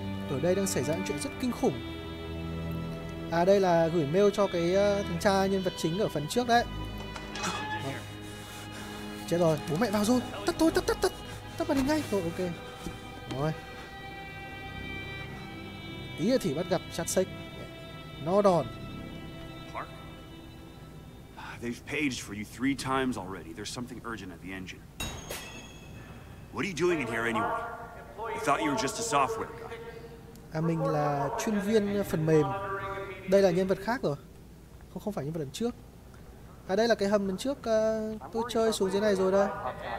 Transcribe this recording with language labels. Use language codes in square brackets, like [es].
[vi] Ở đây đang xảy ra những chuyện rất kinh khủng. À đây là gửi mail cho cái thằng cha nhân vật chính ở phần trước đấy. Chết rồi, bố mẹ vào rồi. Tắt thôi, tắt tắt tắt. Tắt màn hình ngay. Rồi, ok. Rồi. Tí nữa thì bắt gặp chat sách. Nó đòn. [en] They've paged for you three times already. There's something urgent at the engine. What are you doing in here anyway? I thought you were just a software guy. [vi] À, mình là chuyên viên phần mềm. Đây là nhân vật khác rồi. Không không phải nhân vật lần trước. À đây là cái hầm lần trước tôi chơi xuống dưới này rồi đó.